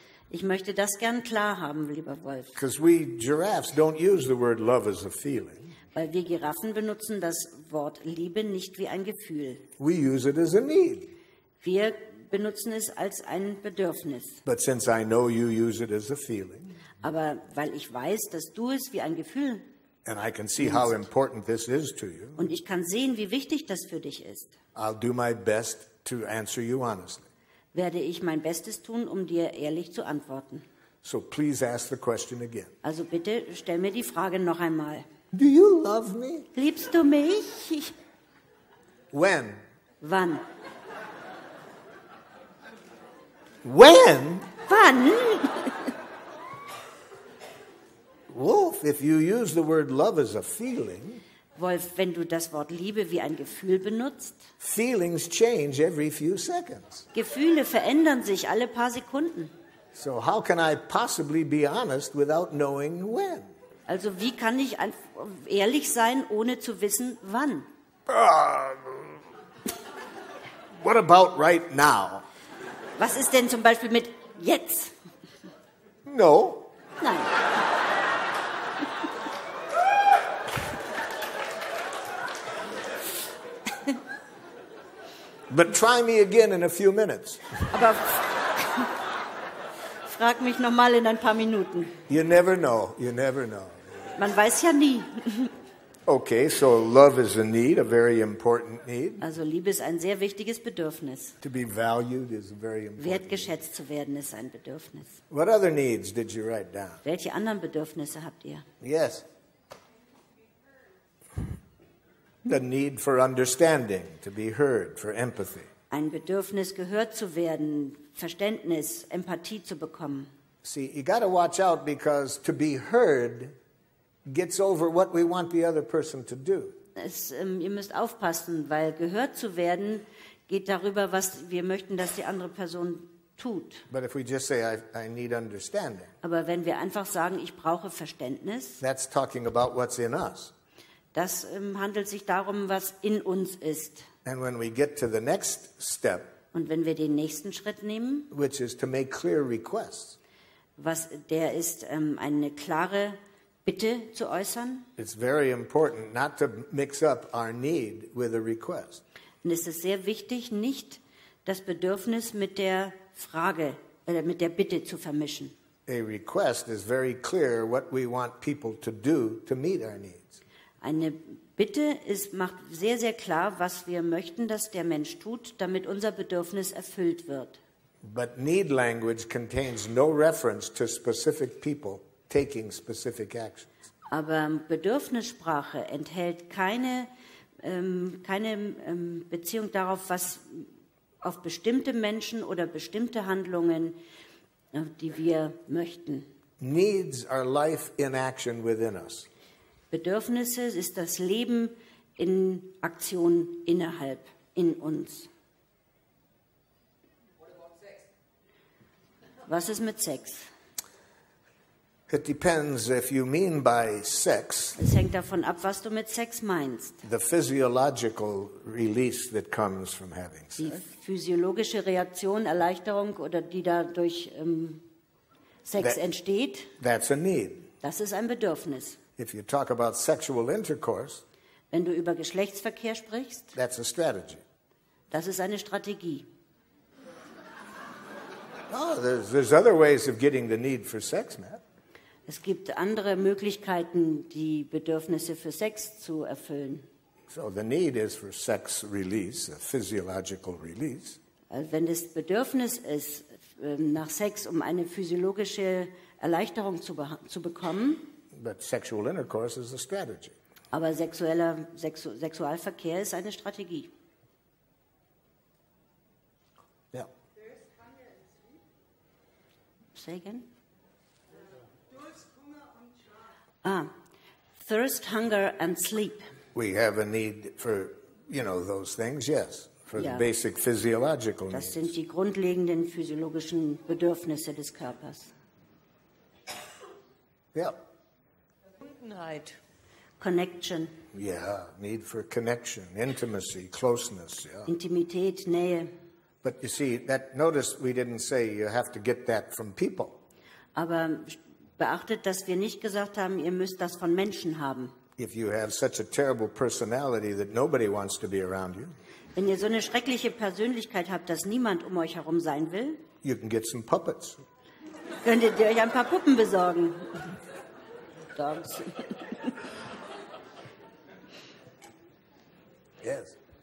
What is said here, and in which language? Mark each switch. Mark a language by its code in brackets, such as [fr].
[de] Ich möchte das gern klar haben, lieber Wolf. [en] Because we giraffes don't use the word love as a feeling. [de] Weil wir Giraffen benutzen das Wort Liebe nicht wie ein Gefühl. [en] We use it as a need. [de] Wir benutzen es als ein Bedürfnis. [en] But since I know you use it as a feeling. [de] Aber weil ich weiß, dass du es wie ein Gefühl. [en] And I can see how important this is to you. [de] Und ich kann sehen, wie wichtig das für dich ist. [en] I'll do my best to answer you honestly. [de] Werde ich mein Bestes tun, um dir ehrlich zu antworten. [en] So please ask the question again. [de] Also bitte stell mir die Frage noch einmal. [en] Do you love me? [de] Liebst du mich? [en] When? [de] Wann? [en] When? [de] Wann? [en] Wolf, if you use the word love as a feeling, [de] Wolf, wenn du das Wort Liebe wie ein Gefühl benutzt, [en] feelings change every few seconds. [de] Gefühle verändern sich alle paar Sekunden. [en] So how can I possibly be honest without knowing when? [de] Also wie kann ich ehrlich sein, ohne zu wissen, wann? [en] What about right now? [de] Was ist denn zum Beispiel mit jetzt? [en] No. [de] Nein. [en] But try me again in a few minutes. [de] Aber frag mich noch mal in ein paar Minuten. [en] You never know. You never know. [de] Man weiß ja nie. [en] Okay, so love is a need, a very important need. [de] Also Liebe ist ein sehr wichtiges Bedürfnis. [en] To be valued is a very important. [de] Wertgeschätzt zu werden ist ein Bedürfnis. [en] What other needs did you write down? [de] Welche anderen Bedürfnisse habt ihr? [en] Yes. The need for understanding, to be heard, for empathy. [de] Ein Bedürfnis, gehört zu werden, Verständnis, Empathie zu bekommen. [en] See, you got to watch out because to be heard gets over what we want the other person to do. [de] Ihr müsst aufpassen, weil gehört zu werden geht darüber, was wir möchten, dass die andere Person tut. [en] But if we just say, I need understanding. [de] Aber wenn wir einfach sagen, ich brauche Verständnis. [en] That's talking about what's in us. [de] Das handelt sich darum, was in uns ist. [en] And when we get to the next step, [de] und wenn wir den nächsten Schritt nehmen, [en] which is to make clear requests, [de] was der ist, eine klare Bitte zu äußern, [en] it's very important not to mix up our need with a request. [de] Und es ist sehr wichtig, nicht das Bedürfnis mit der Frage, mit der Bitte zu vermischen. [en] A request is very clear what we want people to do to meet our need. [de] Eine Bitte ist, macht sehr, sehr klar, was wir möchten, dass der Mensch tut, damit unser Bedürfnis erfüllt wird. [en] But need language contains no reference to specific people taking specific actions. [de] Aber Bedürfnissprache enthält keine Beziehung darauf, was auf bestimmte Menschen oder bestimmte Handlungen, die wir möchten. [en] Needs are life in action within us. [de] Bedürfnisse ist das Leben in Aktion innerhalb, in uns. Was ist mit Sex? [en] It depends if you mean by sex. [de] Es hängt davon ab, was du mit Sex meinst. [en] The physiological release that comes from having sex. [de] Die physiologische Reaktion, Erleichterung oder die dadurch Sex entsteht. [en] That's a need. [de] Das ist ein Bedürfnis. [en] If you talk about sexual intercourse, [de] wenn du über Geschlechtsverkehr sprichst, [en] that's a strategy. [de] Das ist eine Strategie. [en] Oh, there's other ways of getting the need for sex met. [de] Es gibt andere Möglichkeiten, die Bedürfnisse für Sex zu erfüllen. [en] So the need is for sex release, a physiological release. [de] Also wenn das Bedürfnis ist nach Sex, um eine physiologische Erleichterung zu bekommen. [en] But sexual intercourse is a strategy. [de] Aber sexueller Sexualverkehr ist eine Strategie. [en] Yeah. Say again. Thirst, hunger and sleep. We have a need for, you know, those things, yes. For the basic physiological [de] das Das sind die grundlegenden physiologischen Bedürfnisse des Körpers. [en] Yeah. [de] Verbundenheit. [en] Connection. Yeah, need for connection, intimacy, closeness. Yeah. [de] Intimität, Nähe. [en] But you see, that notice we didn't say you have to get that from people. [de] Aber beachtet, dass wir nicht gesagt haben, ihr müsst das von Menschen haben. [en] If you have such a terrible personality that nobody wants to be around you. [de] Wenn ihr so eine schreckliche Persönlichkeit habt, dass niemand um euch herum sein will. [en] You can get some puppets. [de] Könntet ihr euch ein paar Puppen besorgen? Dogs. [en] Yes.